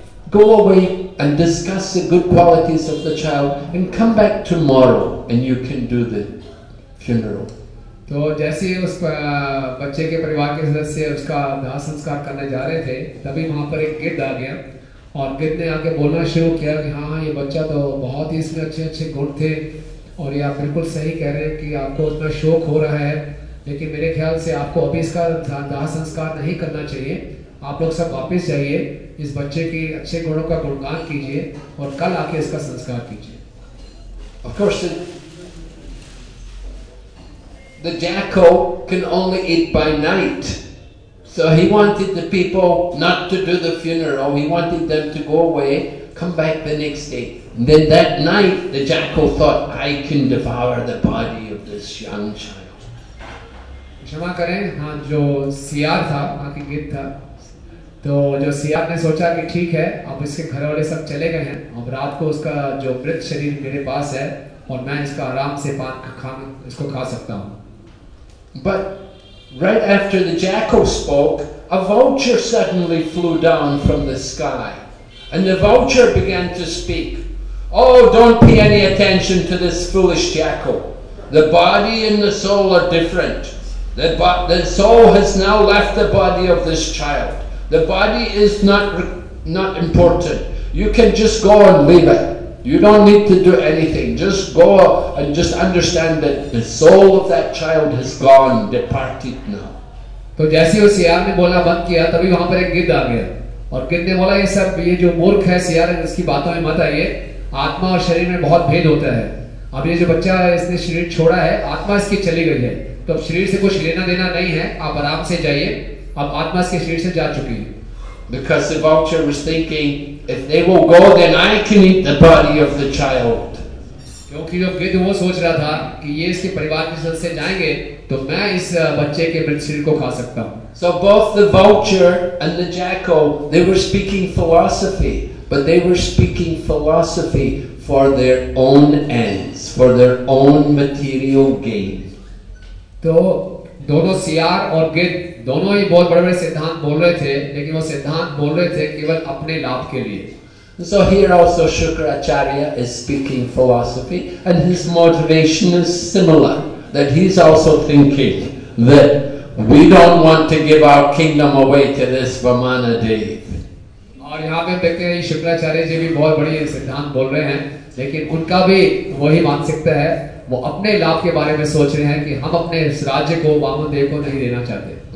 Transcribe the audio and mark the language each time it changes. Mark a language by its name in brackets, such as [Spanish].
[English] Go away and discuss the good qualities of the child and come back tomorrow and you can do the funeral. [Hindi] तो जैसे ही उस बच्चे के परिवार के सदस्य उसका दाह संस्कार करने जा रहे थे तभी वहाँ पर एक गिद्ध आ गया और गिद्ध ने आके बोलना शुरू किया कि हाँ ये बच्चा तो बहुत ही इसमें अच्छे अच्छे गुण थे और ये आप बिल्कुल सही कह रहे हैं कि आपको उतना शोक हो रहा है लेकिन मेरे ख्याल से आपको अभी इसका दाह संस्कार नहीं करना चाहिए. आप लोग सब वापिस जाइए इस बच्चे के अच्छे गुणों का गुणगान कीजिए और कल आके इसका संस्कार कीजिए. [English] The jackal can only eat by night. So he wanted the people not to do the funeral. He wanted them to go away, come back the next day. And then that night, the jackal thought, I can devour the body of this young child. [Hindi] क्षमा करें, हाँ, जो सियार था, वहाँ की गिद्ध था, तो जो सियार ने सोचा कि ठीक है, अब इसके घर वाले सब चले गए हैं, अब रात को उसका जो मृत शरीर मेरे पास है, और मैं इसका आराम से पान खान इसको खा सकता हूँ. [English] But right after the jackal spoke, a vulture suddenly flew down from the sky. And the vulture began to speak, oh, don't pay any attention to this foolish jackal. The body and the soul are different. The soul has now left the body of this child. The body is not important. You can just go and leave it. You don't need to do anything. Just go and just understand that the soul of that child has gone, departed now. [Hindi] तो जैसे ही सियार ने बोला बंद किया तभी वहाँ पर एक गिद्ध आ गया और गिद्ध ने बोला ये सब ये जो मूर्ख है सियार है इसकी बातों में मत आइए. आत्मा और शरीर में बहुत भेद होता है. अब ये जो बच्चा है इसने शरीर छोड़ा है आत्मा इसकी चली गई है तो अब शरीर से कुछ लेना देना नहीं है. आप आराम से जाइए. अब आत्मा इसके शरीर से जा चुकी है. [English] Because the vulture was thinking, if they will go, then I can eat the body of the child. [Hindi] क्योंकि जो गिद्ध वो सोच रहा था कि ये इसके परिवार के सदस्य जाएंगे तो मैं इस बच्चे के मृत शरीर को खा सकता हूँ. [English] So both the vulture and the jackal, they were speaking philosophy, but they were speaking philosophy for their own ends, for their own material gain. [Hindi] तो दोनों सियार और गिद्ध दोनों ही बहुत बड़े बड़े सिद्धांत बोल रहे थे लेकिन वो सिद्धांत बोल रहे थे केवल अपने लाभ के लिए. [English] So here also Shukracharya is speaking philosophy and his motivation is similar, that he's also thinking that we don't want to give our kingdom away to this Vamana Dev. [Hindi] और यहाँ पे देखते हैं शुक्राचार्य जी भी बहुत बड़े सिद्धांत बोल रहे हैं लेकिन उनका भी वही मानसिकता है. वो अपने लाभ के बारे में सोच रहे हैं कि हम अपने इस राज्य को वामन देव को नहीं देना चाहते.